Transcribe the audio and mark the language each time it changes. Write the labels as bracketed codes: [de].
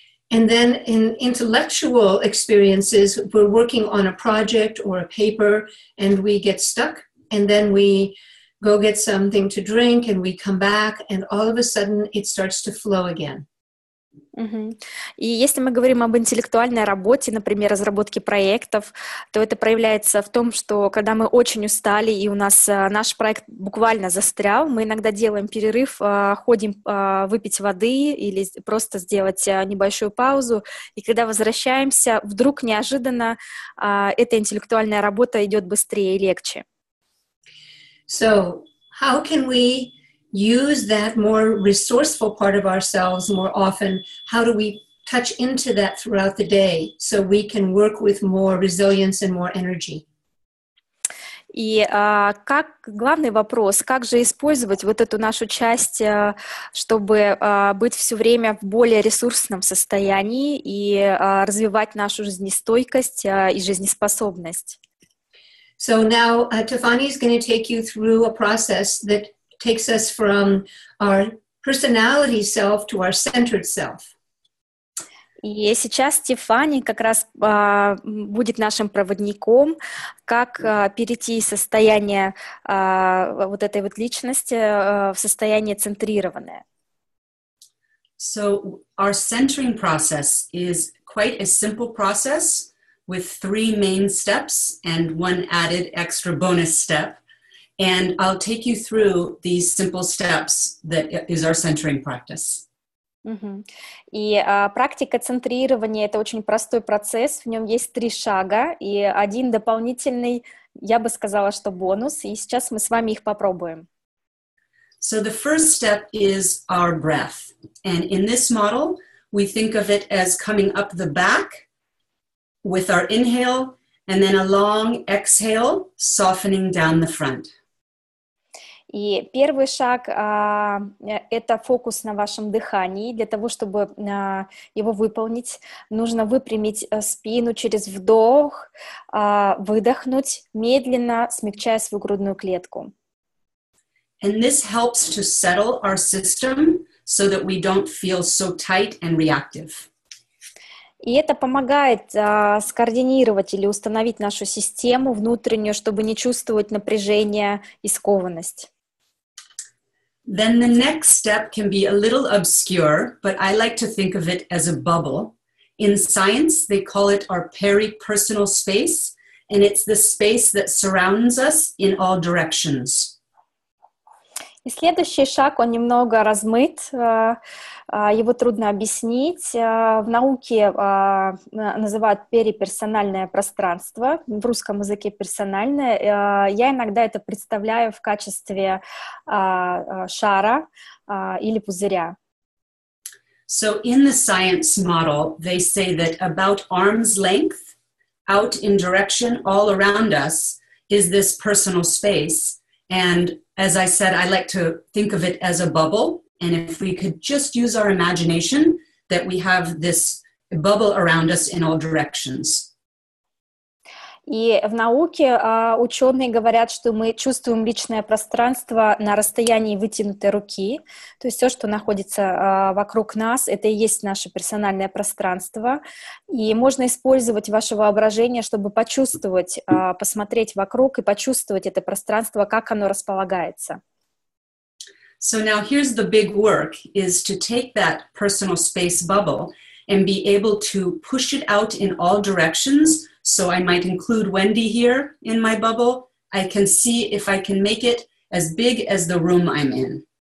[en] And then in intellectual experiences, we're working on a project or a paper, and we get stuck, and then we go get something to drink, and we come back, and all of a sudden it starts to flow again. Mm-hmm. [ru] И если мы говорим об интеллектуальной работе, например, разработке проектов, то это проявляется в том, что когда мы очень устали, и у нас наш проект буквально застрял, мы иногда делаем перерыв, ходим выпить воды или просто сделать небольшую паузу, и когда возвращаемся, вдруг неожиданно эта интеллектуальная работа идет быстрее и легче. [en] So, how can we use that more resourceful part of ourselves more often? How do we touch into that throughout the day so we can work with more resilience and more energy? [ru] И как главный вопрос, как же использовать вот эту нашу часть, чтобы быть все время в более ресурсном состоянии и развивать нашу жизнестойкость и жизнеспособность? [en] So now Tiffany is going to take you through a process that takes us from our personality self to our centered self. [ru] И сейчас Тиффани как раз будет нашим проводником, как перейти из состояния вот этой вот личности в состояние центрированное. [en] So our centering process is quite a simple process with three main steps and one added extra bonus step. And I'll take you through these simple steps that is our centering practice. Mm-hmm. [ru] И практика центрирования — это очень простой процесс. В нем есть три шага и один дополнительный, я бы сказала, что бонус. И сейчас мы с вами их попробуем. [en] So the first step is our breath. And in this model, we think of it as coming up the back with our inhale and then a long exhale, softening down the front. [ru] И первый шаг это фокус на вашем дыхании. Для того, чтобы его выполнить, нужно выпрямить спину через вдох, выдохнуть медленно, смягчая свою грудную клетку. [en] And this helps to settle our system so that we don't feel so tight and reactive. [ru] И это помогает скоординировать или установить нашу систему внутреннюю, чтобы не чувствовать напряжение и скованность. [en] Then the next step can be a little obscure, but I like to think of it as a bubble. In science, they call it our peripersonal space, and it's the space that surrounds us in all directions. [ru] И следующий шаг, он немного размыт, его трудно объяснить. В науке называют периперсональное пространство, в русском языке персональное. Я иногда это представляю в качестве шара или пузыря. [en] So in the science model, they say that about arm's length, out in direction, all around us, is this personal space. And as I said, I like to think of it as a bubble. And if we could just use our imagination, that we have this bubble around us in all directions. [ru] И в науке ученые говорят, что мы чувствуем личное пространство на расстоянии вытянутой руки. То есть все, что находится вокруг нас, это и есть наше персональное пространство. И можно использовать ваше воображение, чтобы почувствовать, посмотреть вокруг и почувствовать это пространство, как оно располагается. [en] So now here's the big work, is to take that personal space bubble and be able to push it out in all directions. So I might include Wendy here in my bubble. I can see if I can make it as big as the room I'm in.